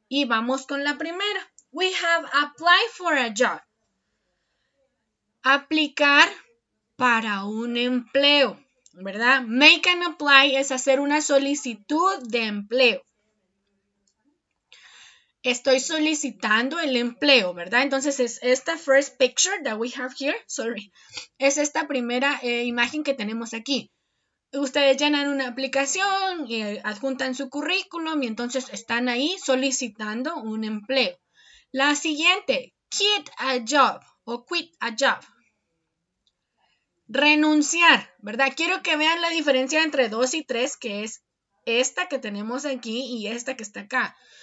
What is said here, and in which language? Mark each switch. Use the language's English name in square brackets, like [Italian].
[Spanish] Y vamos con la primera. [English] We have applied for a job. [Spanish] Aplicar para un empleo, ¿verdad? [English] Make an apply [Spanish] es hacer una solicitud de empleo. Estoy solicitando el empleo, ¿verdad? Entonces, es esta [English] first picture that we have here. [Spanish] Sorry. Es esta primera imagen que tenemos aquí. Ustedes llenan una aplicación y adjuntan su currículum y entonces están ahí solicitando un empleo. La siguiente, [English] quit a job o quit a job. [Spanish] Renunciar, ¿verdad? Quiero que vean la diferencia entre 2 y 3, que es esta que tenemos aquí y esta que está acá.